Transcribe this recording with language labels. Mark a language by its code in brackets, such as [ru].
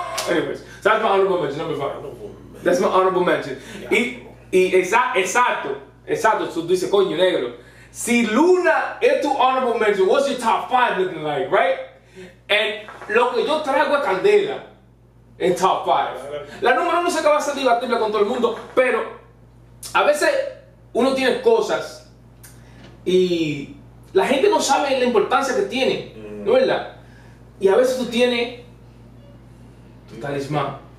[en] Anyways, so that's my honorable mention, number 5. That's my honorable mention. Yeah. [es] Y exacto, tú dices, coño negro. Si Luna es tu [en] honorable mention, what's your top 5 looking like, right? [es] And lo que yo traigo es candela en top 5. La número 1 se acaba de debatirla con todo el mundo, pero a veces uno tiene cosas y la gente no sabe la importancia que tiene, ¿no es verdad? Y a veces tú tienes tu talismán,